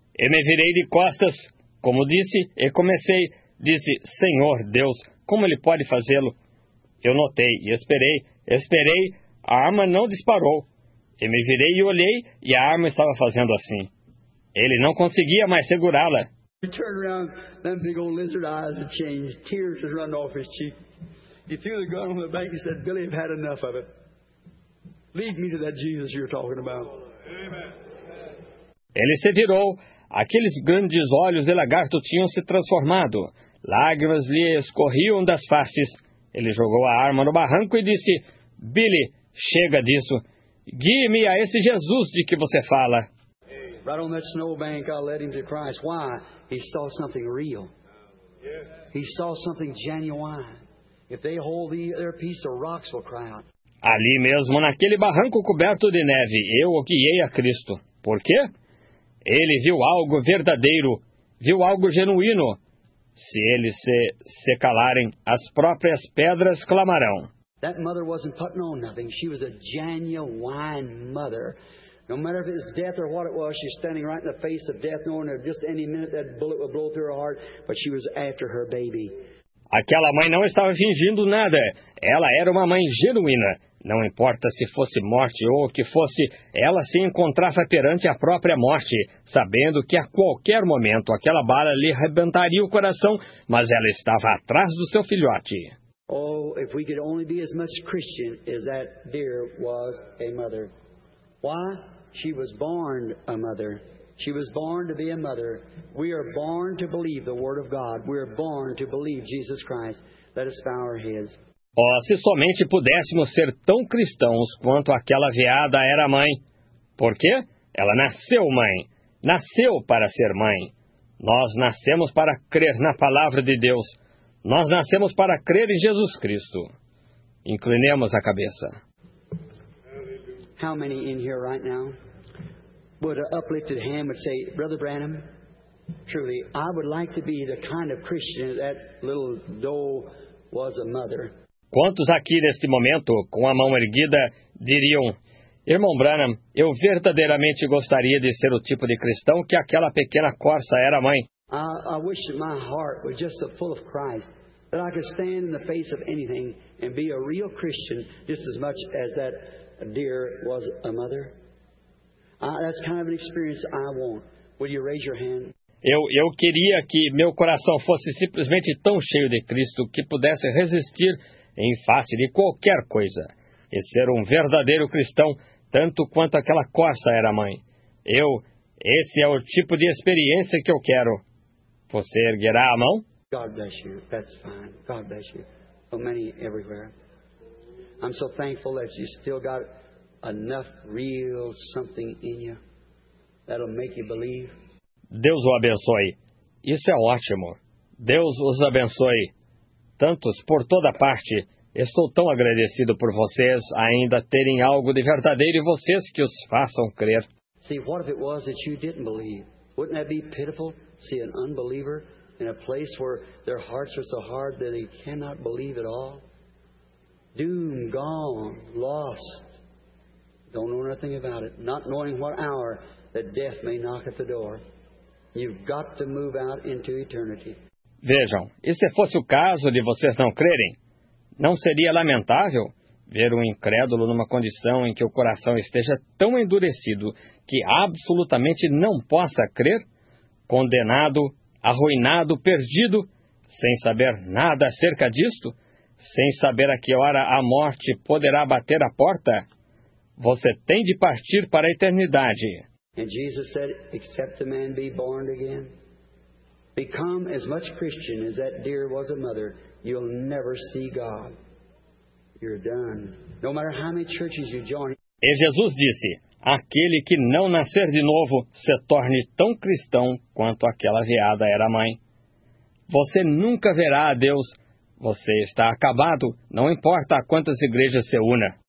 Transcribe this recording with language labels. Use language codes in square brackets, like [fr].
[pt] E me virei de costas, como disse, e comecei. Disse, Senhor Deus, como ele pode fazê-lo? Eu notei e esperei, a arma não disparou. E me virei e olhei, e a arma estava fazendo assim. Ele não conseguia mais segurá-la. [en] He turned around, that big old lizard eyes had changed, tears had run off his cheek. He threw the gun on the bank and said, Billy, I've had enough of it. Lead me to that Jesus you're talking about. Amen. [pt] Ele se virou. Aqueles grandes olhos de lagarto tinham se transformado. Lágrimas lhe escorriam das faces. Ele jogou a arma no barranco e disse, Billy, chega disso. Guie-me a esse Jesus de que você fala. [en] Right on that snowbank, I led him to Christ. Why? He saw something real. He saw something genuine. If they hold their piece, the rocks will cry out. [pt] Ali mesmo, naquele barranco coberto de neve, eu o guiei a Cristo. Por quê? Ele viu algo verdadeiro, viu algo genuíno. Se eles se calarem, as próprias pedras clamarão. [en] That mother wasn't putting on nothing. She was a genuine mother. No matter if it was death or what it was, she's standing right in the face of death, knowing that just any minute that bullet would blow through her heart, but she was after her baby. [pt] Aquela mãe não estava fingindo nada. Ela era uma mãe genuína. Não importa se fosse morte ou o que fosse, ela se encontrava perante a própria morte, sabendo que a qualquer momento aquela bala lhe arrebentaria o coração, mas ela estava atrás do seu filhote. [en] Oh, if we could only be as much Christian as that dear was a mother. Why? She was born a mother. She was born to be a mother. We are born to believe the word of God. We are born to believe Jesus Christ. Let us bow our heads. [pt] Oh, se somente pudéssemos ser tão cristãos quanto aquela veada era mãe. Por quê? Ela nasceu mãe. Nasceu para ser mãe. Nós nascemos para crer na palavra de Deus. Nós nascemos para crer em Jesus Cristo. Inclinemos a cabeça. [en] How many in here right now would an uplifted hand would say, Brother Branham, truly, I would like to be the kind of Christian that little doe was a mother. [pt] Quantos aqui neste momento, com a mão erguida, diriam, Irmão Branham, eu verdadeiramente gostaria de ser o tipo de cristão que aquela pequena corça era mãe. [en] I wish that my heart was just so full of Christ that I could stand in the face of anything and be a real Christian just as much as that deer was a mother. That's kind of an experience I want. Would you raise your hand? [pt] Eu queria que meu coração fosse simplesmente tão cheio de Cristo que pudesse resistir em face de qualquer coisa e ser um verdadeiro cristão tanto quanto aquela corça era mãe. Esse é o tipo de experiência que eu quero. Você erguerá a mão? [en] God bless you. That's fine. God bless you. So many everywhere. I'm so thankful that you still got enough real something in you that'll make you believe. [pt] Deus o abençoe. Isso é ótimo. Deus os abençoe. Tantos por toda parte. Estou tão agradecido por vocês ainda terem algo de verdadeiro e vocês que os façam crer. [en] See, what if it was that you didn't believe? Wouldn't that be pitiful? See an unbeliever in a place where their hearts are so hard that they cannot believe at all. Doom, gone, lost. Don't know nothing about it. Not knowing what hour that death may knock at the door. You've got to move out into eternity. [pt] Vejam, e se fosse o caso de vocês não crerem? Não seria lamentável ver um incrédulo numa condição em que o coração esteja tão endurecido que absolutamente não possa crer? Condenado, arruinado, perdido, sem saber nada acerca disto? Sem saber a que hora a morte poderá bater a porta? Você tem de partir para a eternidade. E Jesus disse, [en] except a man be born again, become as much Christian as that deer was a mother, you'll never see God. You're done. No matter how many churches you join. [pt] E Jesus disse, aquele que não nascer de novo se torne tão cristão quanto aquela veada era mãe. Você nunca verá a Deus. Você está acabado, não importa a quantas igrejas se una.